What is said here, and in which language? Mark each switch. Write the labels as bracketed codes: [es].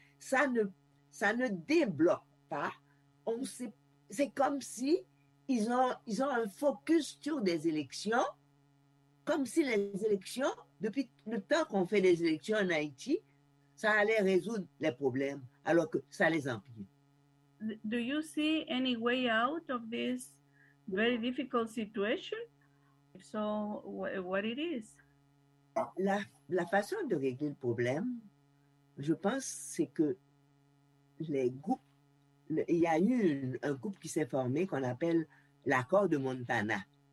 [fr] Ça ne débloque pas. On ne sait pas. C'est comme si ils ont un focus sur des élections, comme si les élections Depuis le temps qu'on fait des élections en Haïti, ça allait résoudre les problèmes, alors que ça les empire. [en] Do you see any way out of this very difficult situation? If so, what it is? [fr] La façon de régler le problème, je pense, c'est que les groupes, il y a eu un groupe qui s'est formé qu'on appelle l'accord de Montana.